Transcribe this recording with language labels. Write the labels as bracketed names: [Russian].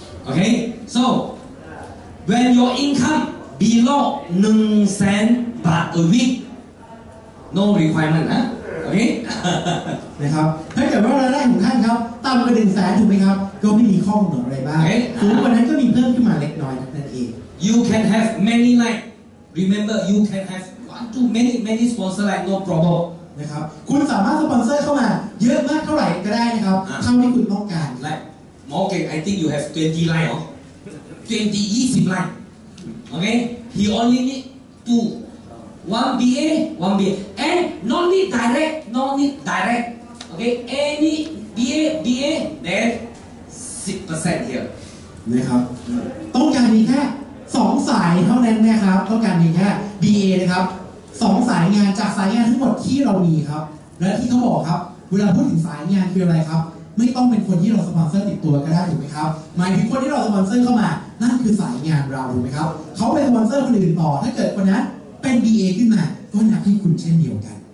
[English] Okay, soWhen your income below 1,000 baht a week, no requirement, huh? Okay? [Thai] นะครับถ้าเกิดว่ารายได้ของท่านครับต่ำกว่า 100,000 ถูกไหมครับก็ไม่มีข้อกำหนดอะไรบ้างสูงกว่านั้นก็มีเพิ่มขึ้นมาเล็กน้อยนั่นเอง [English] You can have many like, remember you can have one to many many sponsor like no problem [Thai] นะครับคุณสามารถสปอนเซอร์เข้ามาเยอะมากเท่าไหร่ก็ได้นะครับเท่าที่คุณต้องการ [English] Like, Morgan, I think you have 20 line, huh? 20 line okay he only need one BA and not need direct okay any BA then 10% here [Thai] นะครับต้องการมีแค่2สายเท่านั้นนะครับต้องการมีแค่ BA นะครับ2สายงานจากสายงานทั้งหมดที่เรามีครับและที่เขาบอกครับเวลาพูดถึงสายงานคืออะไรครับไม่ต้องเป็นคนที่เราสปอนเซอร์ติดตัวก็ได้ถูกไหมครับหมายถึงคนที่เราสปอนเซอร์เข้ามานั่นคือสายงานเราถูกไหมครับเขาเป็นสปอนเซอร์คนอื่นต่อถ้าเกิดคนนั้นเป็น BA ขึ้นมาก็นับให้คุณเช่นเดียวกัน